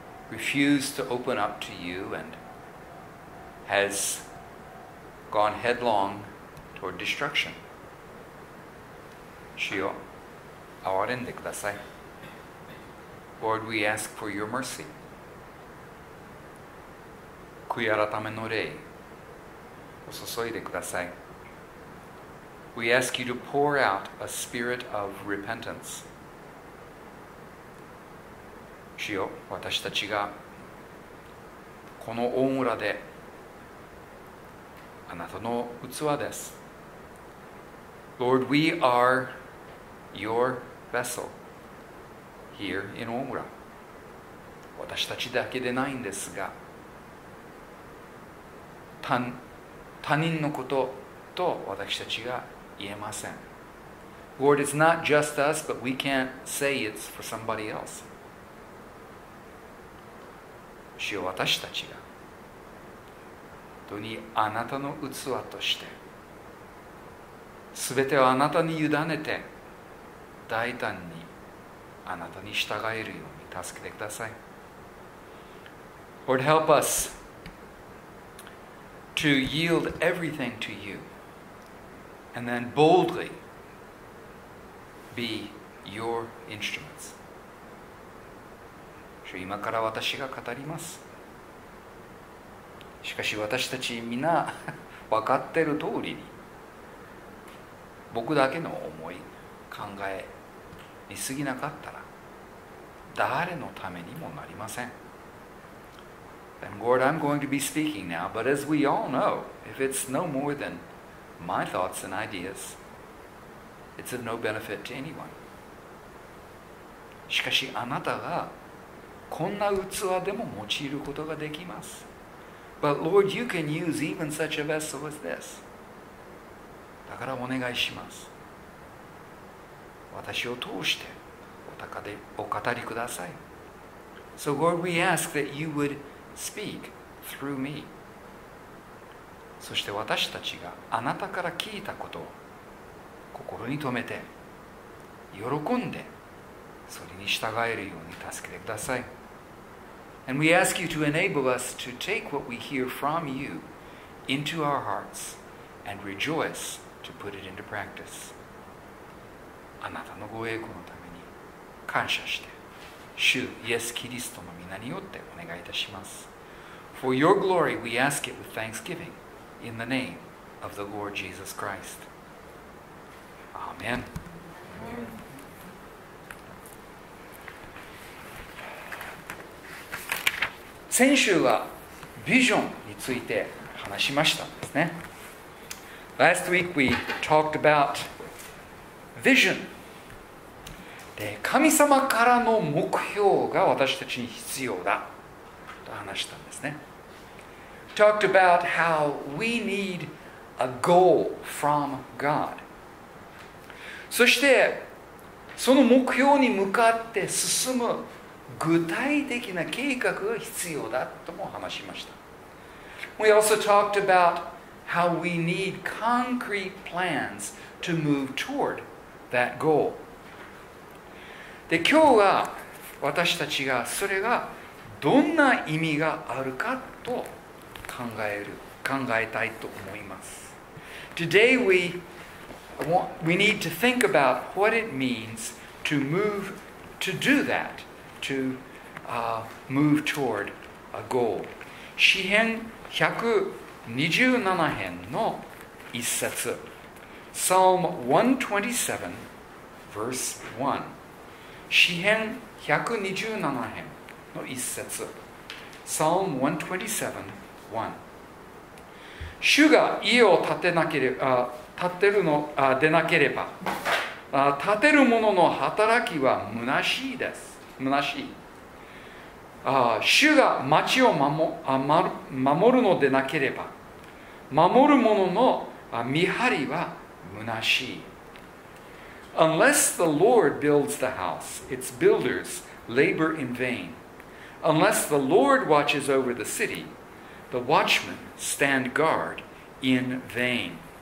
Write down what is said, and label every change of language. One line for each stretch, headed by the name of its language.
English: Refused to open up to you and has gone headlong toward destruction.
Japanese: 主よ、憐れんでください。
English: Lord, we ask for your mercy.
Japanese: 悔い改めの霊を注いでください。
English: We ask you to pour out a spirit of repentance.
Japanese: 主よ、私たちがこの大村で、あなたの器です。
English: Lord, we are your vessel here in 大村。
Japanese: 私たちだけでないんですが、他人のことと私たちが言えません。
English: Lord, it's not just us, but we can't say it's for somebody else.
Japanese: 主よ、私たちが本当にあなたの器として、すべてをあなたに委ねて、大胆にあなたに従えるように助けてください。
English: Lord, help us to yield everything to you and then boldly be your instruments.
Japanese: 主よ、今から私が語ります。しかし私たちみんな分かっている通りに、僕だけの思い考えに過ぎなかったら誰のためにもなりません。
English: And Lord, I'm going to be speaking now, but as we all know, if it's no more than my thoughts and ideas, it's of no benefit to anyone.
Japanese: しかしあなたがこんな器でも用いることができます。
English: But Lord, you can use even such a vessel as this.
Japanese: だからお願いします。私を通してお語りください。
English: So Lord, we ask that you would speak through me.
Japanese: そして私たちがあなたから聞いたことを心に留めて、喜んでそれに従えるように助けてください。
English: And we ask you to enable us to take what we hear from you into our hearts and rejoice to put it into practice.
Japanese: あなたのご栄光のために感謝して、主イエス・キリストの御名によってお願いいたします。
English: For your glory we ask it with thanksgiving in the name of the Lord Jesus Christ. Amen. Amen.
Japanese: 先週はビジョンについて話しましたんですね。
English: Last week we talked about vision.
Japanese: で、神様からの目標が私たちに必要だと話したんですね。
English: Talked about how we need a goal from God.
Japanese: そしてその目標に向かって進む具体的な計画が必要だとも話しました。
English: We also talked about how we need concrete plans to move toward that goal.
Japanese: で、今日は私たちがそれがどんな意味があるかと考えたいと思います。
English: Today we need to think about what it means to move to do that. To move toward a goal.
Japanese: 詩編127編の一節。
English: Psalm 127, verse 1.
Japanese: 詩編127編の一節。
English: Psalm 127:1.
Japanese: 主が家を建てなければ、建てるの、でなければ、建てる者の働きは虚しいです。虚しい。主が町を守るのでなければ、守る者の見張りは虚しい。
English: Unless the Lord builds the house, its builders labor in vain. Unless the Lord watches over the city, the watchmen stand guard in vain.